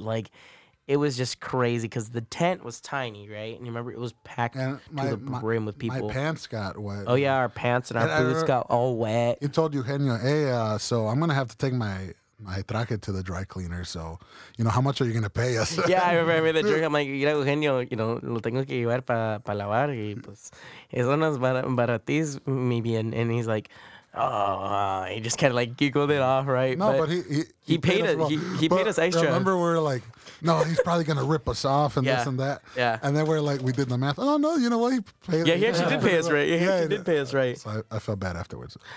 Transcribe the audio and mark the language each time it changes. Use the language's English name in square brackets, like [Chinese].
[English] Like, it was just crazy because the tent was tiny, right? And you remember it was packed to the brim with people. My pants got wet. Oh yeah, our pants and our boots got all wet. He told Eugenio, hey, so I'm gonna have to take my track it to the dry cleaner, so you know, how much are you gonna pay us? Yeah, I remember the jerk. I'm like, [Spanish] mira, Eugenio, [English] you know, [Spanish] lo tengo que llevar para lavar y pues eso no es baratis, mi bien. [English] And he's like, he just kind of like giggled it off, right? No, but he paid us extra. Remember, we're like, no, he's probably gonna rip us off and this and that. Yeah, and then we're like, we did the math. Oh no, you know what? He actually did pay us right. Yeah, he did pay us right. So I felt bad afterwards.